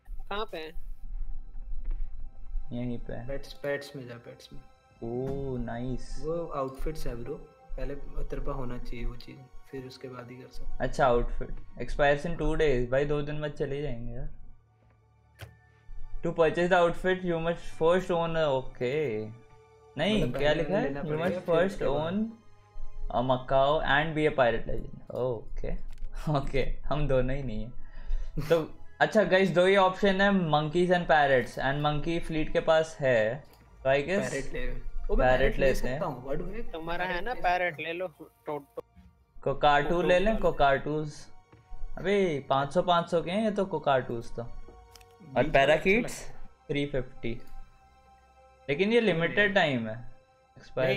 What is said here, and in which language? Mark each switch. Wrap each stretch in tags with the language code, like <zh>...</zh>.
<hi>कहां पे हैं? यहीं पे पेट्स, पेट्स में जा, पेट्स में। ओह नाइस, वो आउटफिट्स है ब्रो, पहले अतरपा होना चाहिए वो चीज, फिर उसके बाद ही कर सकते। अच्छा आउटफिट एक्सपायर्स इन 2 डेज भाई, 2 दिन बाद चले जाएंगे यार।</hi> <en>To purchase the outfit, you must first own a, okay.</en> <hi>नहीं क्या लिखा है?</hi> <en>You must first own a Macau and be a pirate legend. Okay, okay.</en> <hi>हम दोनों ही नहीं है तो अच्छा गाइस, दो ही ऑप्शन है,</hi> <en>monkeys and parrots. And monkey fleet</en> <hi>के पास है तो</hi> <en>I guess parrot</en> <hi>ले लेते हैं। तुम्हारा है ना parrot, ले लो टोटो को कार्टून ले लें, को कार्टूज अभी 500-500 के हैं ये तो, को कार्टूज तो। और पैराकीट्स 350 लेकिन ये लिमिटेड टाइम है एक्सपायर।</hi>